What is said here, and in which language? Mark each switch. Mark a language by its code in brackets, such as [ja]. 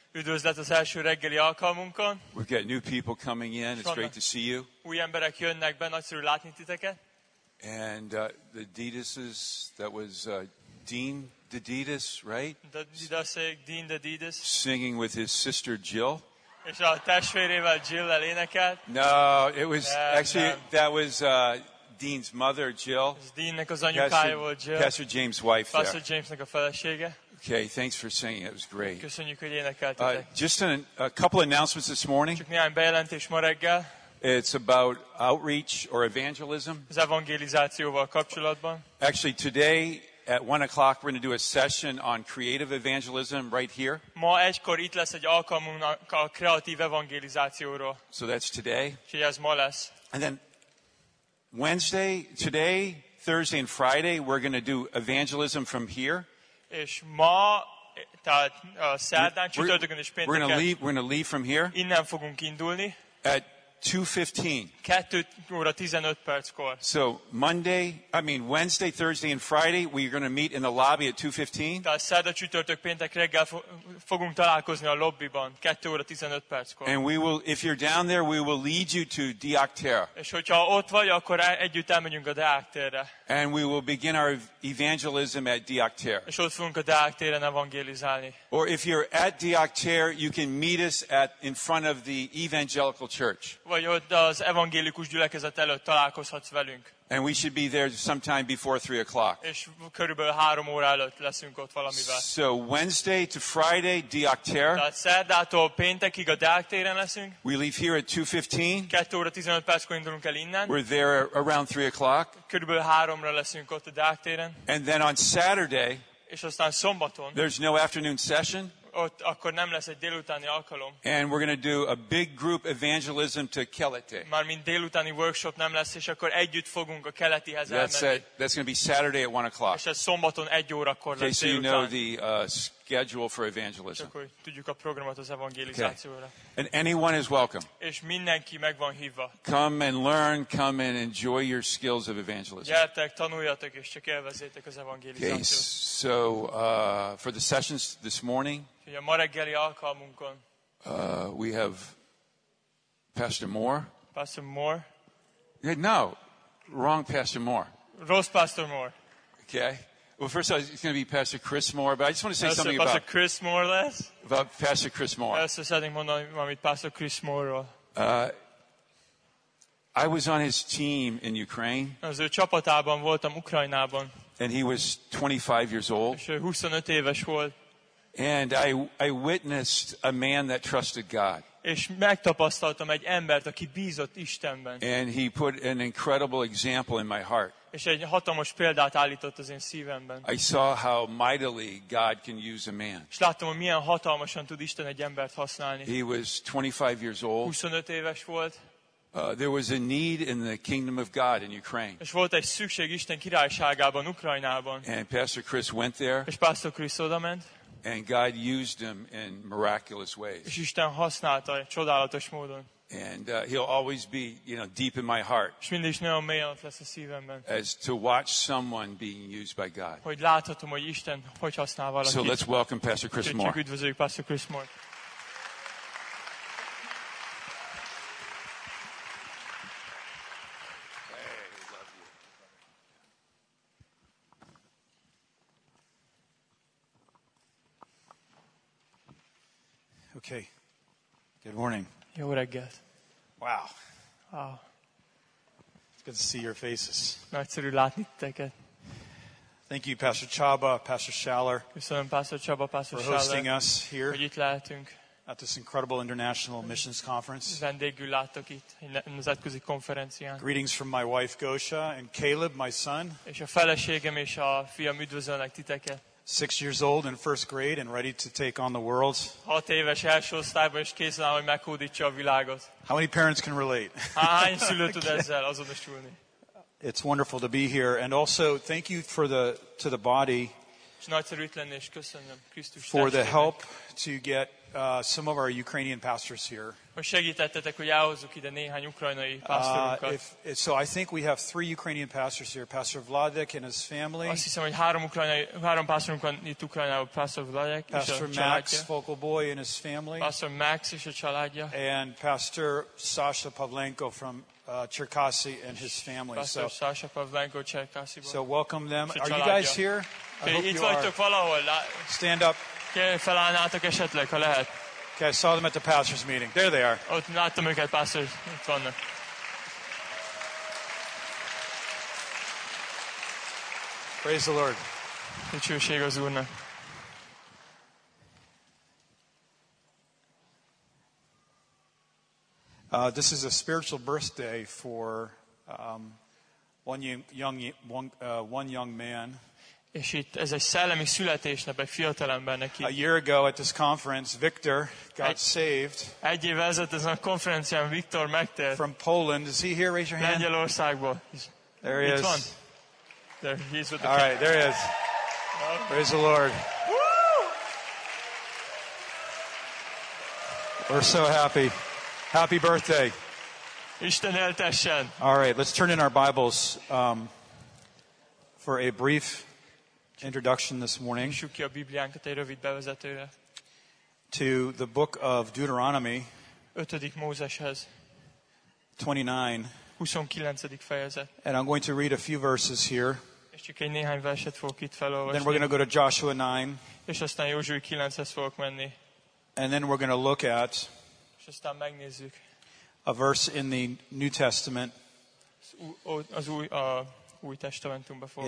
[hu] Üdvözlet az első reggeli alkalmunkon. [en] We've got new people coming in. It's great to see you. [hu] Új emberek jönnek be, nagyszerű látni titeket. [en] And the Didises, that was Dean the Didis, right? [hu] The Didasék, Dean the Didis. [en] Singing with his sister Jill. [hu] És a testvérével Jill-el énekelt. [en] No, it was actually that was Dean's mother, Jill. [hu] Dean-nek az anyukája volt Jill. [en] Pastor James' wife. Pastor there. [hu] James-nek a felesége. [en] Okay, thanks for singing. It was great. [hu] Köszönjük, hogy énekeltetek. [en] Just a couple announcements this morning. [hu] Csak néhány bejelentés ma reggel. [en] It's about outreach or evangelism. [hu] Az evangelizációval kapcsolatban. [en] Actually, today at 1 o'clock we're going to do a session on creative evangelism right here. [hu] Ma egykor itt lesz egy alkalmunk a kreatív evangelizációról. [en] So that's today. [hu] Úgyhogy ez ma lesz. [en] And then Wednesday, today, Thursday and Friday we're going to do evangelism from here. [hu] És ma, tehát szerdán, csütörtökön és pénteken. [en] We're going to leave from here. [hu] Innen fogunk indulni. [en] At 2:15. 2:15. So Wednesday, Thursday and Friday we're going to meet in the lobby at 2:15. [hu] Tehát szerda, csütörtök, péntek reggel fogunk találkozni a lobbiban 2:15. [en] And we will, if you're down there, we will lead you to Diák tér. [hu] És hogyha ott vagy, akkor együtt elmegyünk a Diák térre. [en] And we will begin our evangelism at Diák tér. [hu] És ott fogunk a Diák téren evangelizálni. [en] Or if you're at Diák tér, you can meet us at in front of the evangelical church. [hu] Vagy ott az evangélikus gyülekezet előtt találkozhatsz velünk. [en] And we should be there sometime before 3 o'clock. [hu] És körülbelül 3 óra előtt leszünk ott valamivel. [en] So Wednesday to Friday, Diák tér. [hu] Szerdától péntekig a Diák téren leszünk. [en] We leave here at 2:15. [hu] 2:15 indulunk el innen. [en] We're there around 3 o'clock. [hu] Körülbelül 3-ra leszünk ott a Diák téren. [en] And then on Saturday. [hu] És aztán szombaton. [en] There's no afternoon session. [hu] Ott akkor nem lesz egy délutáni alkalom. [en] And we're going to do a big group evangelism to Keleti. [hu] Mármint délutáni workshop nem lesz, és akkor együtt fogunk a Keletihez elmenni. [en] That's going to be Saturday at 1 o'clock. [hu] És ez szombaton 1 órakor lesz délután. [en] So you know the schedule for evangelism. [hu] Csak hogy tudjuk a programot az evangelizációra. [en] Okay. And anyone is welcome. [hu] És mindenki meg van hívva. [en] Come and learn, come and enjoy your skills of evangelism. [hu] Gyertek, tanuljatok, és csak élvezzétek az evangelizációt. [en] Okay. So for the sessions this morning, [hu] a ma reggeli alkalmunkon. [en] We have Pastor Moore. Pastor Moore? Yeah, no, wrong Pastor Moore. Ross Pastor Moore. Okay. Well, first of all, it's going to be Pastor Chris Moore, but I just want to say something Pastor about Chris Moore less. About Pastor Chris Moore. Pastor Chris Moore. I was on his team in Ukraine. [hu] Az ő csapatában voltam Ukrajnában. [en] And he was 25 years old. [hu] És 25 éves volt. [en] And I witnessed a man that trusted God. [hu] És megtapasztaltam egy embert, aki bízott Istenben. [en] And he put an incredible example in my heart. [hu] És egy hatalmas példát állított az én szívemben. [en] I saw how mightily God can use a man. [hu] És láttam, hogy milyen hatalmasan tud Isten egy embert használni. [en] He was 25 years old. [hu] 25 éves volt. [en] There was a need in the kingdom of God in Ukraine. [hu] És volt egy szükség Isten királyságában, Ukrajnában. [en] And Pastor Chris went there. [hu] És Pastor Chris oda ment. [en] And God used him in miraculous ways. [hu] És Isten használta csodálatos módon. [en] And he'll always be, you know, deep in my heart. [hu] És mindig nagyon mélyen ott lesz a szívemben. [en] As to watch someone being used by God. [hu] Hogy láthatom, hogy Isten hogy használ valakit. [en] So let's welcome Pastor Chris Moore. [hu] Csak üdvözöljük Pastor Chris Moore. [en] Okay. Good morning. [hu] Jó reggelt. Wow. Wow. [en] It's good to see your faces. [hu] Nagyszerű látni titeket. [en] Thank you, Pastor Csaba, Pastor Schaller. [hu] Köszönöm, Pastor Csaba, Pastor Schaller. [en] For hosting us here. [hu] Hogy itt lehetünk. [en] At this incredible international missions conference. [hu] Vendégül láttok itt, egy nemzetközi konferencián. [en] Greetings from my wife, Gosha, and Caleb, my son. [hu] És a feleségem és a fiam üdvözölnek titeket. [en] 6 years old in first grade and ready to take on the world. [hu] 6 éves első osztályban és készen áll, hogy meghódítsa a világot. [en] How many parents can relate? [hu] Hány szülő tud ezzel azonosulni? [en] It's wonderful to be here, and also thank you for the to the body. [hu] És nagyszerű itt lenni, és köszönöm Krisztus [en] for the help to get some of our Ukrainian pastors here. [hu] Hogy segítettetek, hogy elhozzuk ide néhány ukrajnai pásztorunkat. [en] So I think we have three Ukrainian pastors here, Pastor Vladek and his family. [hu] Azt hiszem, hogy három pásztorunk van itt Ukrajnában, Pastor Vladek és a családja. [en] Pastor Max Fokolboy and his family. [hu] Pastor Max és a családja. [en] And Pastor Sasha Pavlenko from Cherkasy and his family. [hu] Pastor Sasha Pavlenko, Cherkasy. [en] So welcome them. Are you guys here? I hope you are. Stand up. [hu] Felállnátok esetleg, ha lehet. [en] Okay, I saw them at the pastor's meeting. There they are. [hu] Ott láttam őket, pastor. Itt vannak. [en] Praise the Lord. [hu] Dicsőség az Úrnak. [en] This is a spiritual birthday for one young man. [hu] És itt ez egy szellemi születésnap egy fiatalembernek. [en] A year ago at this conference, Victor got saved. [hu] Egy év ezelőtt ezen a konferencián Victor megtért. [en] From Poland, is he here? Raise your hand. [hu] Lengyelországból. [en] There he is. [hu] Itt van. [en] There he is with the. All right, there he is. Praise the Lord. Woo! We're so happy. Happy birthday. [hu] Isten éltessen. [en] All right, let's turn in our Bibles for a brief introduction this morning. [hu] Nyissuk ki a Bibliánkat egy rövid bevezetőre. [en] To the book of Deuteronomy. [hu] 5. Mózeshez. 29. fejezet. [en] And I'm going to read a few verses here. [hu] És csak egy néhány verset fogok itt felolvasni. [en] Then we're going to go to Joshua 9. [hu] És aztán Józsué 9-hez fogok menni. [en] And then we're going to look at [hu] aztán megnézzük [en] a verse in the New Testament. [hu] Az új testamentumba fog.